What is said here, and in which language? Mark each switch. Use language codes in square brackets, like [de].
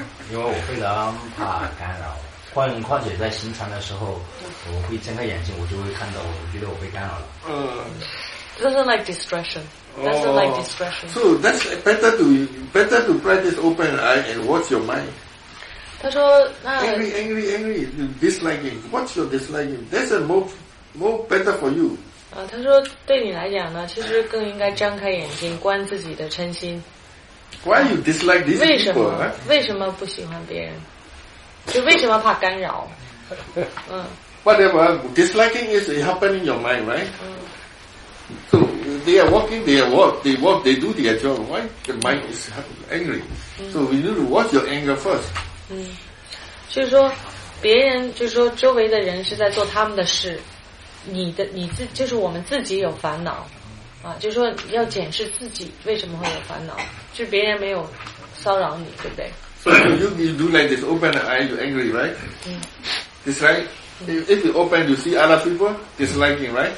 [zh] 因为我非常怕干扰，况且在行船的时候，我会睁开眼睛，我就会看到，我觉得我被干扰了。 [en] Doesn't like distraction. So that's better to practice open eye and watch your mind. [zh] 他说 [en] ，Angry, disliking. What's your disliking? That's a more better for you. [zh] 啊，他说对你来讲呢，其实更应该张开眼睛，观自己的嗔心。 [en] Why you dislike these people? [zh] 为什么不喜欢别人？就为什么怕干扰？嗯。 [en] Whatever disliking is happening in your mind, right? So they are walking, they walk, they do their job. Why the mind is angry? So we need to watch your anger first. [zh] 嗯，就是说，别人就是说，周围的人是在做他们的事，你自我们自己有烦恼，啊，就是说要检视自己为什么会有烦恼，就是别人没有骚扰你，对不对？ [en] So you do like this, open the eye, you're angry, right? 嗯，dislike. If you open, you see other people disliking, right?